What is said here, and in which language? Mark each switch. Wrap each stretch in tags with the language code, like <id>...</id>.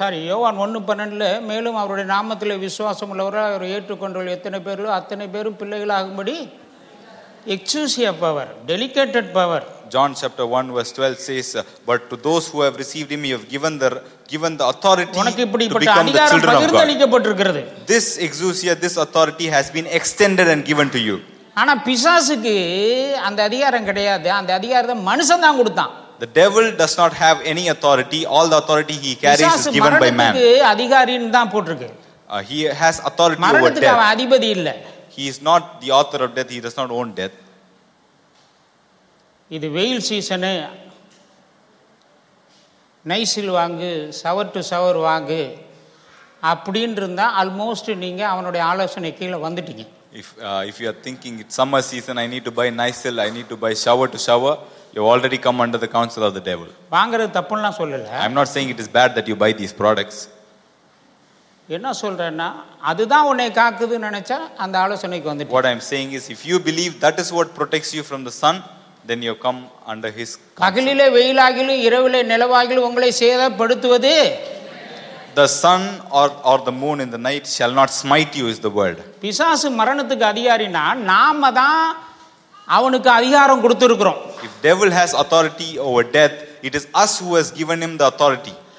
<ta>யோவான் 1:12 மேலும் அவருடைய நாமத்தில் விசுவாசம் உள்ளவர்கள் அவர் ஏற்றுக்கொண்டவர்கள் எத்தனை பேர்களோ அத்தனை பேரும் பிள்ளைகளாகும்படி.</ta> <en>Exclusive power, delicated power. John chapter 1:12 says, but to those who have received him, he have given the authority to become the children of God. This exousia, this authority has been extended and given to you.</en> <ta>ஆனா பிசாசுக்கு அந்த அதிகாரம் கிடையாது. அந்த அதிகாரத்தை மனுஷன் தான் கொடுத்தான்.</ta> <en>The devil does not have any authority. All the authority he carries is given by man.</en> <ta>பிசாசுக்கு அதிகாரின்னு தான் போட்டுருக்கு.</ta> <en>He has authority over death.</en> <ta>மரணத்துக்கு அதிபதி இல்ல.</ta> <en>He is not the author of death. He does not own death.</en> <ta>இது வெயில் season. Nycil வாங்கு, சவர் டு சவர் வாங்கு அப்படின்னு இருந்தா ஆல்மோஸ்ட் நீங்க அவனுடைய ஆலோசனை கீழே வந்துட்டீங்க.</ta> <en>If you are thinking it's summer season, I need to buy Nisil, I need to buy shower to shower, you've already come under the counsel of the devil.</en> <ta>வாங்குறது தப்புன்னு சொல்லல.</ta> <en>I'm not saying it is bad that you buy these products.</en> <ta>என்ன சொல்றேன்னா அதுதான் உன்னை காக்குதுன்னு நினைச்சா அந்த ஆலோசனைக்கு வந்து.</ta> <en>What I am saying is, if you believe that is what protects you from the sun, then you come under his.</en> <ta>ககலிலே வெயிலாகிலும் இரவிலே நிலவாகிலும் உங்களை சேதப்படுத்துவது</ta> <en>the sun or the moon in the night shall not smite you is the word.</en> <ta>பிசாசு மரணத்துக்கு அதிகாரினா நாம தான் அவனுக்கு அதிகாரம் கொடுத்திருக்கிறோம்.</ta> <en>If devil has authority over death, it is us who has given him the authority.</en>